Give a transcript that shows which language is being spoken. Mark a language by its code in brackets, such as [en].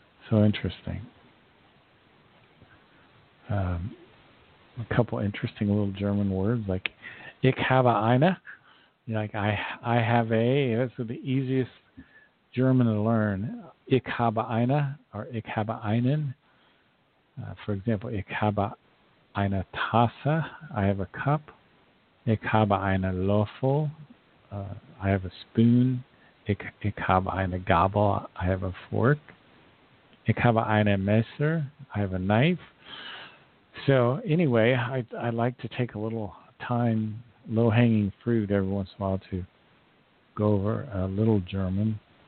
[en] So interesting. A couple interesting little German words, like [de] ich habe eine, [en] like I have a, that's the easiest German to learn. [de] Ich habe eine, or ich habe einen. [en] For example, [de] ich habe eine Tasse, [en] I have a cup. [de] Ich habe eine Löffel, [en] I have a spoon. [de] Ich habe eine Gabel, [en] I have a fork. [de] Ich habe eine Messer, [en] I have a knife. So anyway, I like to take a little time, low-hanging fruit every once in a while, to go over a little German.